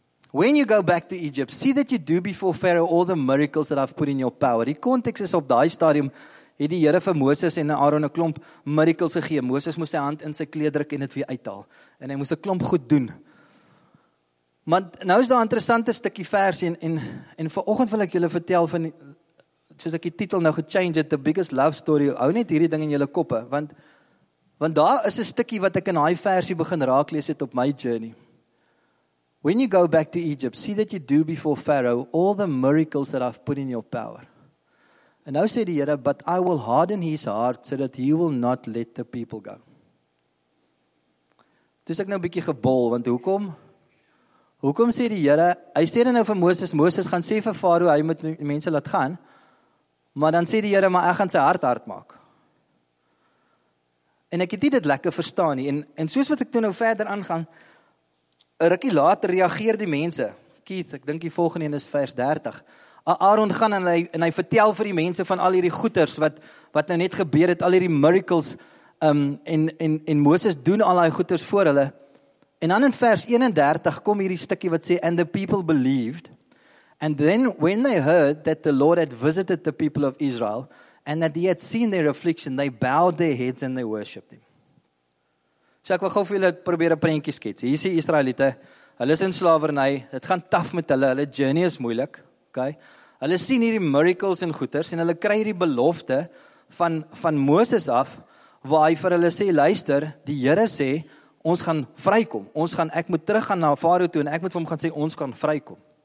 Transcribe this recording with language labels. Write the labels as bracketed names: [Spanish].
[English] When you go back to Egypt, see that you do before Pharaoh all the miracles that I've put in your power. [Afrikaans] Die konteks is op daai stadium, het die Here vir Moses en Aaron 'n klomp miracles gegee. Moses moes sy hand in sy kleeddruk en dit weer uithaal. En hy moes 'n klomp goed doen. Maar nou is daar 'n interessante stukkie vers en vanoggend wil ek julle vertel van soos ek die titel nou gechange het, The Biggest Love Story, hou net hierdie ding in julle koppe, want daar is 'n stukkie wat ek in daai versie begin raak lees het op my journey. [English] When you go back to Egypt, see that you do before Pharaoh all the miracles that I've put in your power. [Afrikaans] En nou sê die Here, [English] but I will harden his heart so that he will not let the people go. [Afrikaans] Toe is ek nou 'n bietjie gebol, want hoekom? Hoekom sê die Here, hy sê nou vir Moses, Moses gaan sê vir Farao, hy moet mense laat gaan. Maar dan sê die Here, maar ek gaan sy hart hard maak. En ek het dit lekker verstaan nie. En soos wat ek toe nou verder aangaan, 'n rukkie later reageer die mense. Keith, ek dink die volgende een is vers 30. Aaron gaan en hy vertel vir die mense van al hierdie goeders wat nou net gebeur het, al hierdie miracles, en Moses doen al die goeders voor hulle. En dan in vers 31 kom hierdie stukkie wat sê, [English] and the people believed, and then when they heard that the Lord had visited the people of Israel, and that he had seen their affliction, they bowed their heads and they worshipped him. [Afrikaans] So ek wil gauw vir julle probeer 'n prentjie skets. Hier is die Israeliete, hulle is in slavernij, het gaan taf met hulle, hulle journey is moeilik, okay. Hulle sien hierdie miracles en goeders, en hulle kry hierdie belofte van Moses af, waar hy vir hulle sê, luister, die Here sê, ons gaan vrykom, ek moet teruggaan na Farao toe, en ek moet vir hom gaan sê, ons kan vrykom.